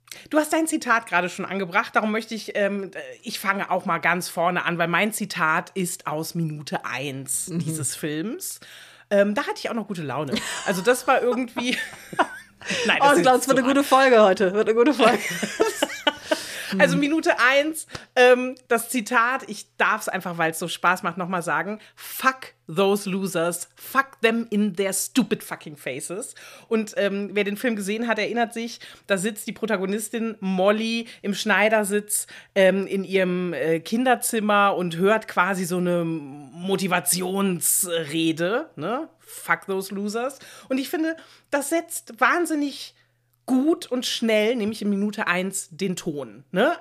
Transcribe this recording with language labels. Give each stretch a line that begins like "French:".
German: Du hast dein Zitat gerade schon angebracht, darum möchte ich, ich fange auch mal ganz vorne an, weil mein Zitat ist aus Minute 1 dieses Films. Da hatte ich auch noch gute Laune. Also das war irgendwie... Nein, das oh, ich glaube, es wird eine gute Folge heute. Wird eine gute Folge. Also Minute 1, das Zitat, ich darf es einfach, weil es so Spaß macht, nochmal sagen.
English: Fuck those losers. Fuck them in their stupid fucking faces.
German: Und wer den Film gesehen hat, erinnert sich, da sitzt die Protagonistin Molly im Schneidersitz in ihrem Kinderzimmer und hört quasi so eine Motivationsrede. Ne?
English: Fuck those losers.
German: Und ich finde, das setzt wahnsinnig gut und schnell, nämlich in Minute 1, den Ton. Ne?